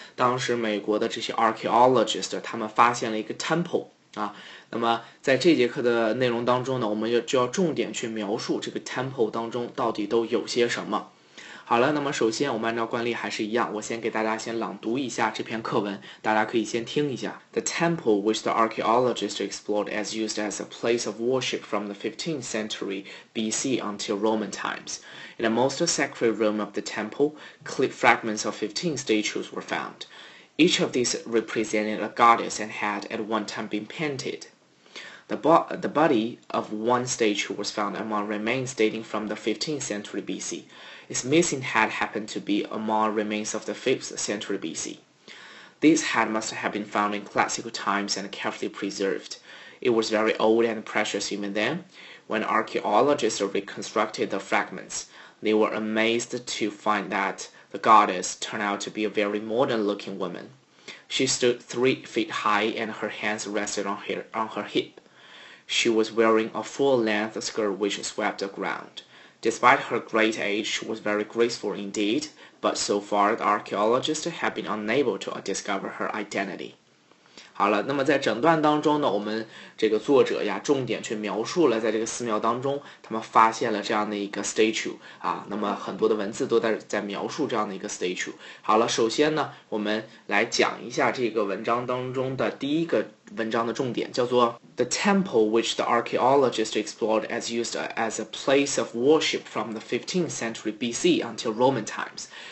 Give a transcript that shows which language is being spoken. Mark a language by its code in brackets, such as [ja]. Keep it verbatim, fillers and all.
[zh] 当时美国的这些 archaeologists 他们发现了一个 temple 啊。那么在这节课的内容当中呢，我们就要重点去描述这个 temple 当中到底都有些什么。好了，那么首先我们按照惯例还是一样，我先给大家先朗读一下这篇课文，大家可以先听一下。 [en] The temple which the archaeologists explored as used as a place of worship from the fifteenth century B C until Roman times. In the most sacred room of the temple, fragments of fifteen statues were found. Each of these represented a goddess and had at one time been painted. The, bo- the body of one statue was found among remains dating from the fifteenth century B C. Its missing head happened to be among remains of the fifth century B C. This head must have been found in classical times and carefully preserved. It was very old and precious even then. When archaeologists reconstructed the fragments, they were amazed to find that the goddess turned out to be a very modern-looking woman. She stood three feet high and her hands rested on her, on her hip. She was wearing a full-length skirt which swept the ground. Despite her great age, she was very graceful indeed, but so far the archaeologists have been unable to discover her identity. [zh] 好了，那么在整段当中呢，我们这个作者呀，重点去描述了在这个寺庙当中，他们发现了这样的一个 statue 啊，那么很多的文字都在在描述这样的一个 statue。好了，首先呢，我们来讲一下这个文章当中的第一个文章的重点，叫做 [en] The temple which the archaeologists explored as used as a place of worship from the fifteenth century B C until Roman times.